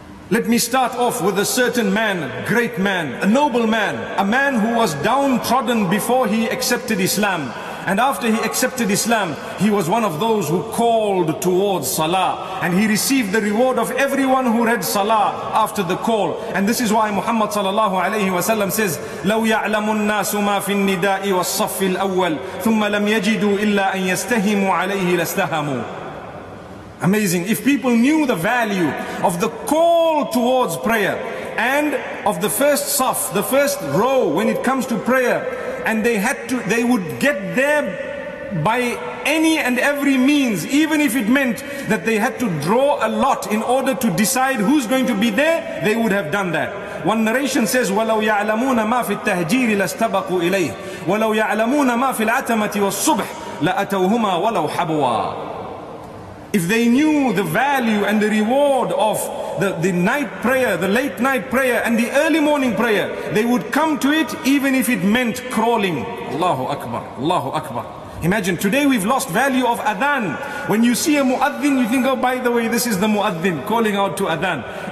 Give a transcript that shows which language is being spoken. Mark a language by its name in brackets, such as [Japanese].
[English] Let me start off with a certain man, great man, a noble man, a man who was downtrodden before he accepted Islam. And after he accepted Islam, he was one of those who called towards Salah. And he received the reward of everyone who read Salah after the call. And this is why Muhammad sallallahu alayhi wa sallam says, [Arabic] لَوْ يَعْلَمُ النَّاسُ مَا فِي النِّدَاءِ وَالصَّفِّ الْأَوَّلِ ثُمَّ لَمْ يَجِدُوا إِلَّا أَنْ يَسْتَهِمُوا عَلَيْهِ لَاسْتَهَمُوا. [English] Amazing. If people knew the value of the call towards prayer and of the first saf, the first row when it comes to prayer, and they would get there by any and every means, even if it meant that they had to draw a lot in order to decide who's going to be there, they would have done that. One narration says, [Arabic] وَلَوْ يَعْلَمُونَ مَا فِي التَّهْجِيرِ لَاسْتَبَقُوا إِلَيْهِ وَلَوْ يَعْلَمُونَ مَا فِي الْعَتَمَةِ وَالصُّبْحِ لَأَتَوْهُمَا وَلَوْ حَبْوَى. [English] If they knew the value and the reward of the night prayer, the late night prayer and the early morning prayer, they would come to it even if it meant crawling. Allahu Akbar, Allahu Akbar. Imagine, today we've lost value of adhan. When you see a muadhin, you think, oh, by the way, this is the muadhin calling out to adhan.